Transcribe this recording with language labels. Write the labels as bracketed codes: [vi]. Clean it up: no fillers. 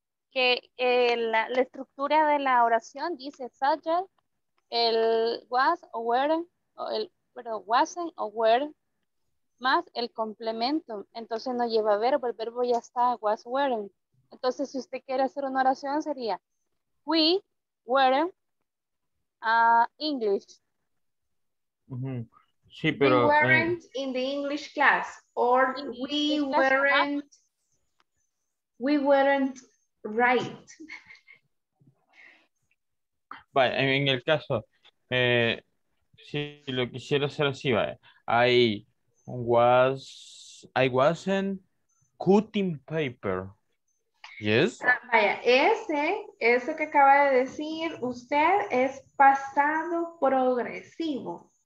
[es] Que la estructura de la oración dice such as, el was or were, wasn't or were, más el complemento. Entonces no lleva verbo, el verbo ya está, was, weren't. Entonces si usted quiere hacer una oración sería, [en] we weren't English. [es] Mm-hmm. Sí, pero, [en] we weren't in the English class, or we weren't right. [es] Vale, en el caso, si lo quisiera hacer así, vale. [en] I wasn't cutting paper. Yes. [es] Vaya, ese que acaba de decir usted es pasado progresivo.